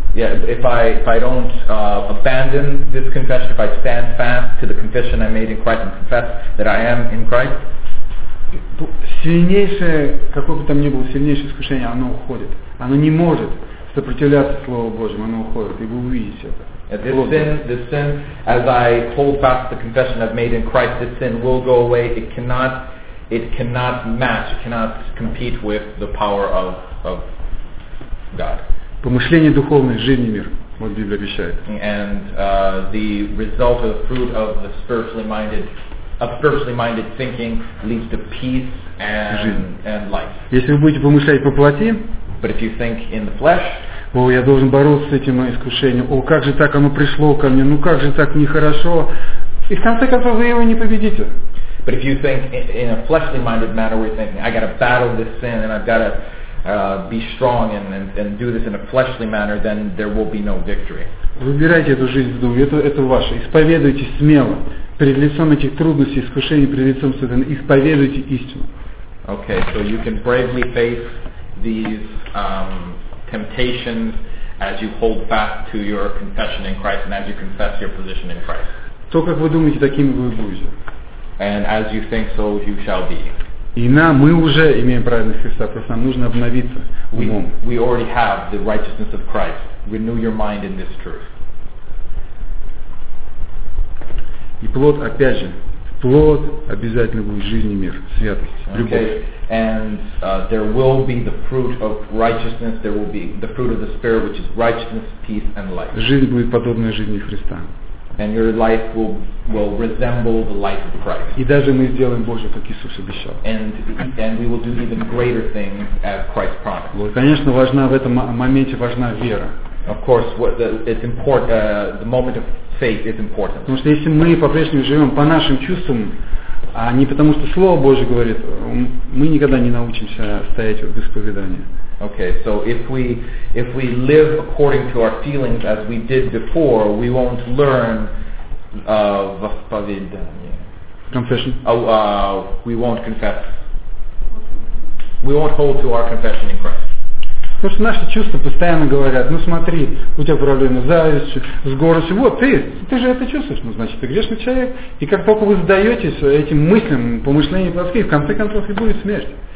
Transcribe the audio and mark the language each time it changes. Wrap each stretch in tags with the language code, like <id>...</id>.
<en>Yeah, if I don't abandon this confession, if I stand fast to the confession I made in Christ and confess that I am in Christ.</en> <ru>Сильнейшее, какое бы там ни было, сильнейшее искушение, оно уходит. Оно не может сопротивляться Слову Божьему, оно уходит, и вы увидите это.</ru> <en>This sin, as I hold fast the confession I've made in Christ, this sin will go away. It cannot match, it cannot compete with the power of God.</en> <ru>Помышление духовное, жизнь и мир. Вот Библия обещает.</ru> <en>And the result of the fruit of the spiritually minded. A spiritually minded thinking leads to peace and life.</en> <ru>Если вы будете помышлять по плоти,</ru> <en>but if you think in the flesh,</en> <ru>о, я должен бороться с этим искушением. О, как же так оно пришло ко мне? Ну как же так нехорошо? И в конце концов вы его не победите.</ru> <en>But if you think in a fleshly minded manner, we're thinking, I gotta battle this sin and I've gotta be strong and do this in a fleshly manner, then there will be no victory.</en> <ru>Выбирайте эту жизнь в духе. Это ваше. Исповедуйте смело перед лицом этих трудностей, искушений, перед лицом сатаны. Исповедуйте истину.</ru> <en>Okay, so you can bravely face these temptations as you hold fast to your confession in Christ and as you confess your position in Christ.</en> <ru>То, как вы думаете, таким вы будете.</ru> <en>And as you think, so you shall be.</en> <ru>И нам, мы уже имеем праведность Христа, просто нам нужно обновиться умом.</ru> <en>We already have the righteousness of Christ. Renew your mind in this truth.</en> <ru>И плод, опять же, плод обязательно будет жизнь и мир, святость, любовь.</ru> <en>Okay. And there will be the fruit of righteousness, there will be the fruit of the Spirit, which is righteousness, peace and life.</en> <ru>Жизнь будет подобная жизни Христа.</ru> <en>And your life will resemble the life of Christ.</en> <ru>И даже мы сделаем больше, как Иисус обещал.</ru> <en>And we will do even greater things as Christ promised.</en> <ru>Вот, конечно, важна в этом моменте важна вера.</ru> <en>Of course, it's important. The moment of faith is important.</en> <ru>Потому что если мы по-прежнему живем по нашим чувствам, а не потому что Слово Божие говорит, мы никогда не научимся стоять в исповедании.</ru> <en>Okay, so if we live according to our feelings as we did before, we won't learn</en> <ru>восповедание.</ru> <en>Confession. We won't confess. We won't hold to our confession in Christ.</en> <ru>Потому что наши чувства постоянно говорят, ну смотри, у тебя проблемы с завистью, с гордостью, вот ты же это чувствуешь, ну значит ты грешный человек. И как только вы сдаетесь этим мыслям, помышлениям плоским, в конце концов и будет смерть.</ru>